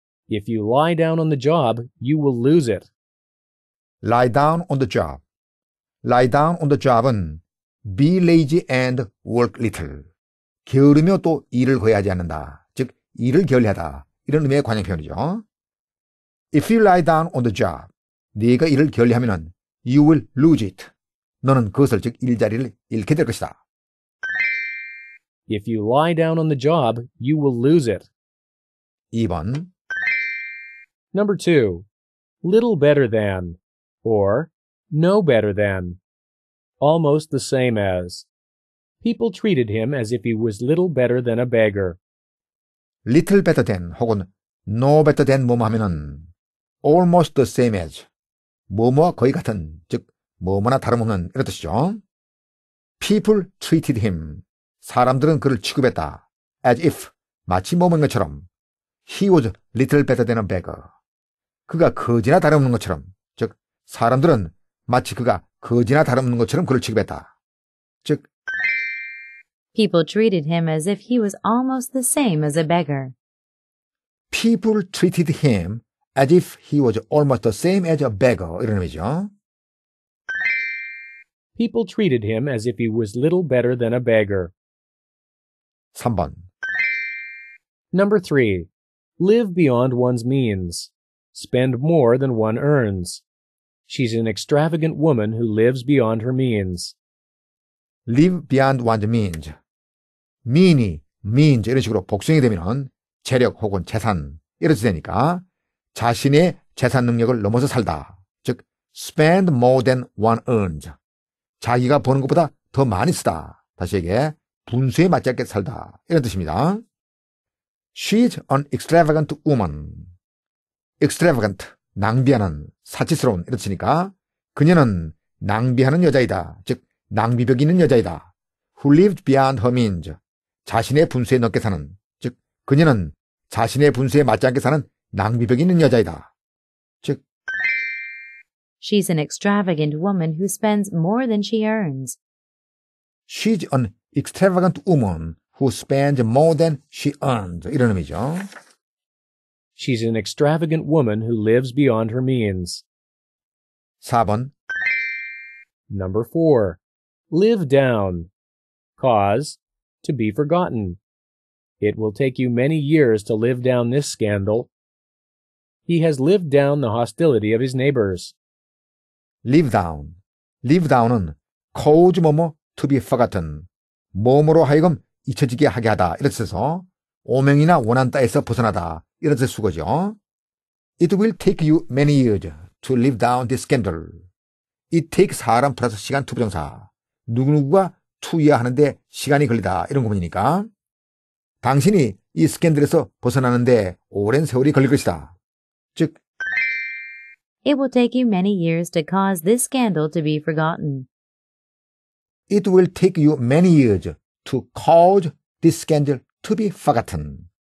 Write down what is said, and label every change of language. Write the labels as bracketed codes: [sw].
[en] If you lie down on the job, you will lose it. Lie down on the job. Lie down on the job은 be lazy and work little. [ko] 게으르며 또 일을 거해하지 않는다. 즉, 일을 게을리하다. 이런 의미의 관용 표현이죠. [en] If you lie down on the job, [ko] 네가 일을 게을리하면 [en] you will lose it. [ko] 너는 그것을, 즉 일자리를 잃게 될 것이다. [en] If you lie down on the job, you will lose it. [ko] 2번. [en] Number 2. Little better than or no better than. Almost the same as. People treated him as if he was little better than a beggar. Little better than [ko] 혹은 [en] no better than [ko] 뭐뭐 하면은 [en] almost the same as. [ko] 뭐뭐와 거의 같은, 즉 뭐뭐나 다름없는 이런 뜻이죠. [en] People treated him. [ko] 사람들은 그를 취급했다. [en] As if, [ko] 마치 뭐뭐인 것처럼. [en] He was little better than a beggar. [ko] 그가 거지나 다름없는 것처럼. 즉, 사람들은 마치 그가 거지나 다름없는 것처럼 그를 취급했다. 즉, [en] People treated him as if he was almost the same as a beggar. People treated him as if he was almost the same as a beggar. [ko] 이런 의미죠. [en] People treated him as if he was little better than a beggar. [ko] 3번. [en] Number 3. Live beyond one's means. Spend more than one earns. She's an extravagant woman who lives beyond her means. Live beyond one's means. [ko] Mean이, means 이런 식으로 복수형이 되면 재력 혹은 재산 이렇게 되니까 자신의 재산 능력을 넘어서 살다. [en] 즉, spend more than one earns. [ko] 자기가 버는 것보다 더 많이 쓰다. 다시 얘기해. 분수에 맞지 않게 살다. 이런 뜻입니다. [en] She's an extravagant woman. [ko] Extravagant, 낭비하는, 사치스러운 이런 뜻이니까 그녀는 낭비하는 여자이다. 즉, 낭비벽 있는 여자이다. [en] Who lived beyond her means. [ko] 자신의 분수에 넘게 사는. 즉, 그녀는 자신의 분수에 맞지 않게 사는 낭비벽 있는 여자이다. 즉, [en] She's an extravagant woman who spends more than she earns. She's an extravagant woman who spends more than she earns. [ko] 이런 의미죠. [en] She's an extravagant woman who lives beyond her means. [ko] 4번. [en] Number 4. Live down. Cause, to be forgotten. It will take you many years to live down this scandal. He has lived down the hostility of his neighbors. Live down. Live down은 cause 뭐뭐 to be forgotten. [ko] 뭐뭐로 하여금 잊혀지게 하게 하다. 이렇게 해서 오명이나 원한 따위에서 벗어나다. 이런 뜻의 수거죠. [en] It will take you many years to live down this scandal. It takes [ko] 사람 플러스 시간 to 부정사. 누구누구가 to해야 하는데 시간이 걸리다. 이런 구문이니까. 당신이 이 스캔들에서 벗어나는데 오랜 세월이 걸릴 것이다. 즉, [en] It will take you many years to cause this scandal to be forgotten. It will take you many years to cause this scandal to be forgotten.